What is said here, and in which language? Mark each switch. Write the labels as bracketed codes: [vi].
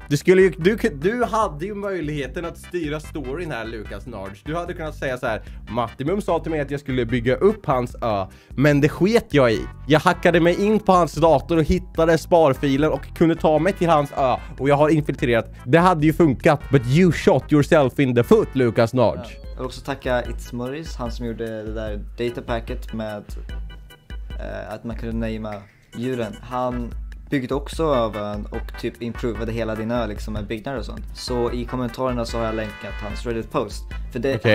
[sv] Du skulle ju, du hade ju möjligheten att styra storyn här, Lukas Nards. Du hade kunnat säga så här: Mattimum sa till mig att jag skulle bygga upp hans ö, men det sket jag i. Jag hackade mig in på hans dator och hittade sparfilen och kunde ta mig till hans ö. Och jag har infiltrerat. Det hade ju funkat, [en] but you shot yourself in the foot, Lukas Nards. [sv] Ja. Jag vill också tacka It's Morris, han som gjorde det där datapacket med att man kunde namea djuren. Han byggt också av ön och typ improvade hela din ö liksom med byggnader och sånt. Så i kommentarerna så har jag länkat hans Reddit post. För det okay.